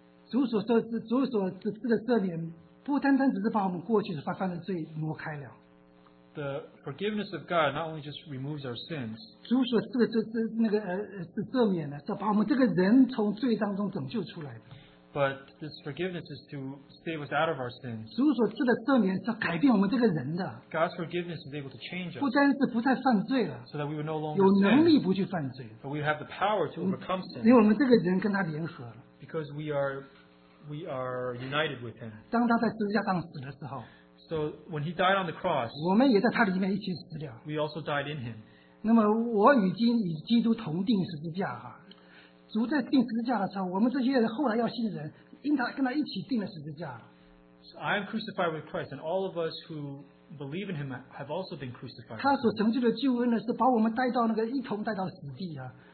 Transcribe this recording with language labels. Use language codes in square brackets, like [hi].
[zh] 主所赐的赦免，不单单只是把我们过去犯的罪挪开了。 [en] The forgiveness of God not only just removes our sins. [zh] 主所赐的赦免呢，是把我们这个人从罪当中拯救出来的。 [en] But this forgiveness is to save us out of our sins. [zh] 主所赐的赦免是改变我们这个人的。 [en] God's forgiveness is able to change us. [zh] 不单是不再犯罪了。 [en] So that we would no longer [zh] 有能力不去犯罪。 [en] sin. But we have the power to overcome sin. [zh] 因为我们这个人跟他联合了。 [en] Because we are united with him. [zh] 当他在十字架上死的时候, [en] so when he died on the cross, [zh] 我们也在他里面一起死了。 [en] We also died in him. [zh] 那么我与基督同钉十字架啊。主在钉十字架的时候，我们这些后来要信的人，应当跟他一起钉了十字架。 [en] So I am crucified with Christ, and all of us who believe in Him have also been crucified. [zh] 他所成就的救恩呢，是把我们带到那个一同带到死地啊。